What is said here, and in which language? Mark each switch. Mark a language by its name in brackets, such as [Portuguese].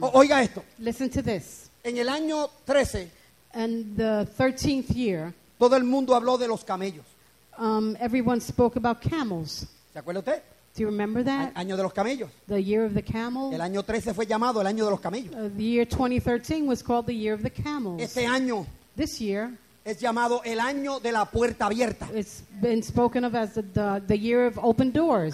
[Spanish] Oiga esto, [English] listen to this, [Spanish] en el año 13, [English] and the 13th year, [Spanish] todo el mundo habló de los camellos, [English] everyone spoke about camels, [Spanish] ¿se acuerda usted? [English] Do you remember that? [Spanish] Año de los camellos. [English] The year of the camel. [Spanish] El año 13 fue llamado el año de los camellos. [English] The year 2013 was called the year of the camels. [Spanish] Este año. [English] This year. [Spanish] Es llamado el año de la puerta abierta. [English] It's been spoken of as the year of open doors.